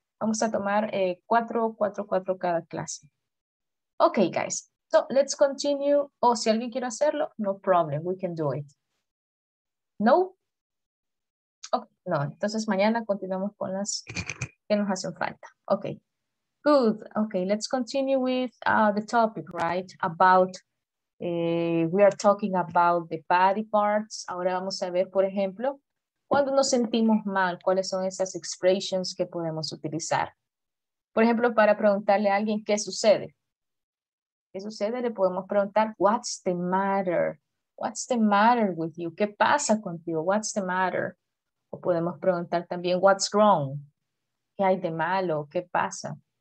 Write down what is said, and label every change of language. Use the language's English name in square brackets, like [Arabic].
[Spanish] Vamos a tomar 4 cada clase. [English] Okay, guys, so let's continue. [Spanish] Oh, si alguien quiere hacerlo, [English] no problem, we can do it. No? [Spanish] No, entonces mañana continuamos con las que nos hacen falta. [English] Okay, good. Okay, let's continue with the topic, right? About, we are talking about the body parts. [Spanish] Ahora vamos a ver, por ejemplo, cuando nos sentimos mal, ¿cuáles son esas expressions que podemos utilizar? Por ejemplo, para preguntarle a alguien, ¿qué sucede? ¿Qué sucede? Le podemos preguntar, [English] what's the matter? What's the matter with you? [Spanish] ¿Qué pasa contigo? [English] What's the matter? [Spanish] O podemos preguntar también, [English] what's wrong? [Spanish] ¿Qué hay de malo? ¿Qué pasa?